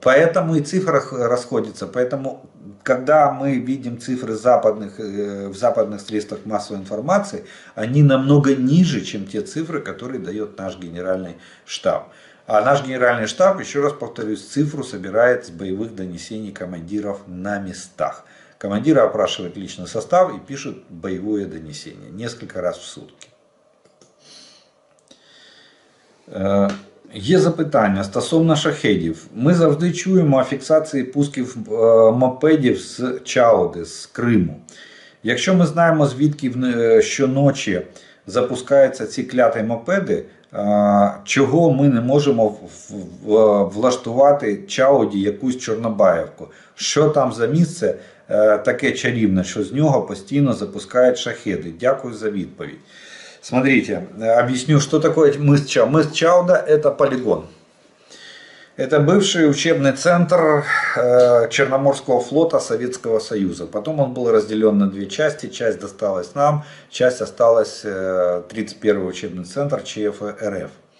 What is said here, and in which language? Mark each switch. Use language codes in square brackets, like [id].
[ru] Поэтому и цифры расходятся. Поэтому, когда мы видим цифры в западных средствах массовой информации, они намного ниже, чем те цифры, которые дает наш генеральный штаб. А наш генеральный штаб, еще раз повторюсь, цифру собирает с боевых донесений командиров на местах. Командиры опрашивают личный состав и пишут боевое донесение несколько раз в сутки. [uk] Є запитання стосовно шахедів. Ми завжди чуємо о фіксації пусків мопедів з Чауди, з Криму. Якщо ми знаємо, звідки щоночі запускаються ці кляті мопеди, чого ми не можемо влаштувати Чауді якусь Чорнобаївку? Що там за місце таке чарівне, що з нього постійно запускають шахеди? Дякую за відповідь. [ru] Смотрите, объясню, что такое мыс Чауда. Мыс Чауда – это полигон. Это бывший учебный центр Черноморского флота Советского Союза. Потом он был разделен на две части. Часть досталась нам, часть осталась 31-й учебный центр ЧФРФ.